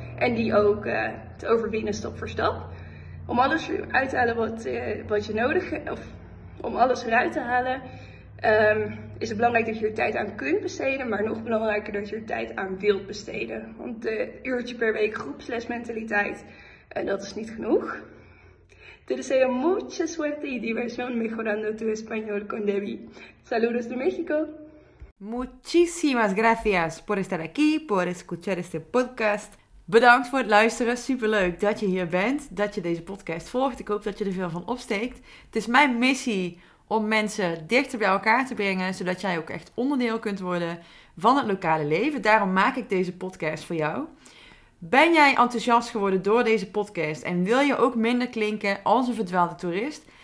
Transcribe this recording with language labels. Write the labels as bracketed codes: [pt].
[nl] En die ook te overwinnen stap voor stap. Om alles eruit te halen wat je nodig hebt. Of om alles eruit te halen. Is het belangrijk dat je er tijd aan kunt besteden, maar nog belangrijker dat je er tijd aan wilt besteden. Want de uurtje per week groepslesmentaliteit, dat is niet genoeg. [es] Te deseo mucha suerte y diversión mejorando tu español con Debbie. Saludos de México. Muchísimas gracias por estar aquí, por escuchar este podcast. [nl] Bedankt voor het luisteren. Superleuk dat je hier bent, dat je deze podcast volgt. Ik hoop dat je er veel van opsteekt. Het is mijn missie om mensen dichter bij elkaar te brengen, zodat jij ook echt onderdeel kunt worden van het lokale leven. Daarom maak ik deze podcast voor jou. Ben jij enthousiast geworden door deze podcast en wil je ook minder klinken als een verdwaalde toerist?